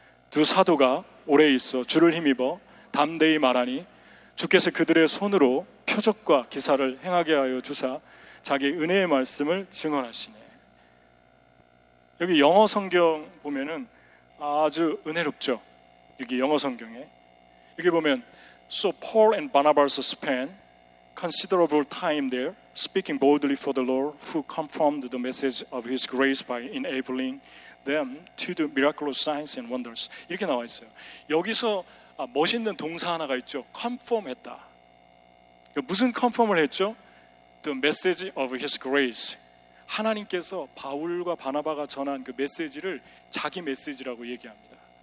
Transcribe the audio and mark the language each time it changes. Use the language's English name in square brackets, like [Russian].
[Korean] 두 사도가 오래 있어 주를 힘입어 담대히 말하니 주께서 그들의 손으로 표적과 기사를 행하게 하여 주사 자기 은혜의 말씀을 증언하시네. 여기 영어 성경 보면은 아주 은혜롭죠. [English] 여기 영어 성경에 여기 보면 So Paul and Barnabas spent considerable time there speaking boldly for the Lord who confirmed the message of his grace by enabling them to do miraculous signs and wonders. [Korean] 이렇게 나와 있어요. 여기서 멋있는 동사 하나가 있죠. [English] Confirm [Korean] 했다. 무슨 [English] confirm을 [Korean] 했죠? [English] The message of his grace. [Korean] 하나님께서 바울과 바나바가 전한 그 메시지를 자기 메시지라고 얘기합니다.